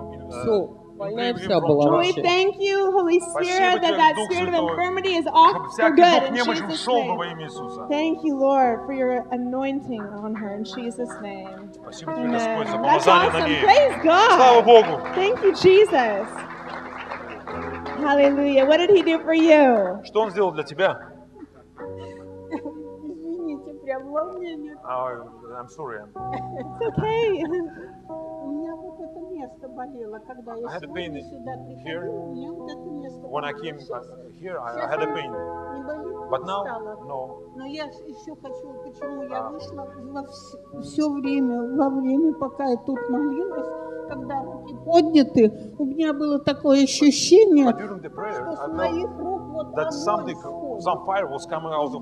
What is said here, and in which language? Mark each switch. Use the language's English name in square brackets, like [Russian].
[Russian] Все, больная вся была вообще. [English] We thank you, Holy Spirit, that spirit of infirmity is off for good in Jesus' name. Thank you, Lord, for your anointing on her in Jesus' name. Amen. That's awesome. Praise God. [Russian] Слава Богу. [English] Thank you, Jesus. Hallelujah. What did he do for you? [Russian] Что он сделал для тебя? Извините, прям во мне нет. [English] I'm sorry. It's okay. [Russian] У меня вот это место болело, когда я сюда приходила. [English] When I came here, I had a pain. [Russian] Не болит, [English] but now, no. [Russian] Но я еще хочу, почему я вышла во время, пока я тут молилась. Когда руки подняты, у меня было такое ощущение, что с моих рук вот там огонь сходит.